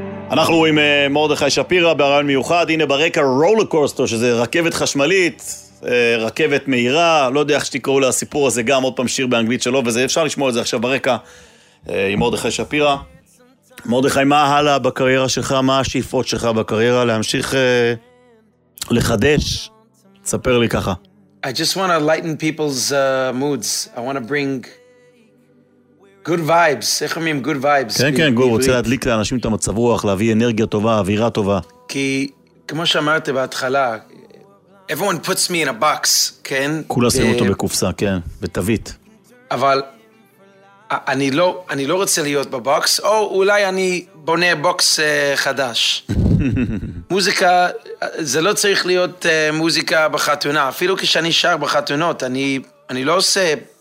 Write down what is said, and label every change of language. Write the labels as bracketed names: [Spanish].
[Hebrew] אנחנו עם מרדכי שפירא ברעיון מיוחד, הנה ברקע רולקוסטר, שזה רכבת חשמלית, רכבת מהירה, לא יודע איך שתקראו לה הסיפור הזה, גם עוד פעם שיר באנגלית שלו, וזה אפשר לשמוע את זה עכשיו ברקע עם מרדכי שפירא. מרדכי, מה הלאה בקריירה שלך, מה השאיפות שלך בקריירה, להמשיך לחדש? תספר לי ככה. [English] I just want to lighten people's moods. I want to bring good vibes, [Hebrew] איך אומרים [English] good vibes? [Hebrew] כן, כן, גור, רוצה להדליק לאנשים את המצב רוח, להביא אנרגיה טובה, אווירה טובה. כי, כמו שאמרתי בהתחלה, [English] everyone puts me in a box, [Hebrew] כן? כולה שימו אותו בקופסה, כן, בתווית. אבל אני לא רוצה להיות בבוקס, או אולי אני בונה בוקס חדש. מוזיקה, זה לא צריך להיות מוזיקה בחתונה, אפילו כשאני שר בחתונות, אני לא עושה...